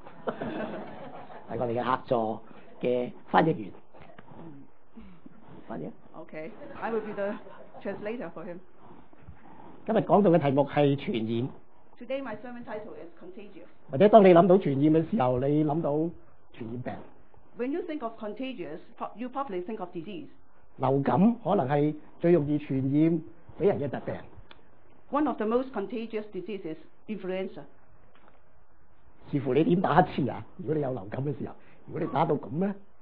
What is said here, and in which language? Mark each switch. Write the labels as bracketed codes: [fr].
[zh] 是我們的客座的翻譯員。翻譯。 [en] Okay, I will be the translator for him. [zh] 今天講到的題目是傳染。 [en] Today my sermon title is contagious. [zh] 或者當你想到傳染的時候，你想到傳染病。 [en] When you think of contagious, you probably think of disease. [zh] 流感可能是最容易傳染給人的疾病。 [en] One of the most contagious diseases is influenza. [zh] 視乎你怎樣打一次啊，如果你有流感的時候，如果你打到這樣呢？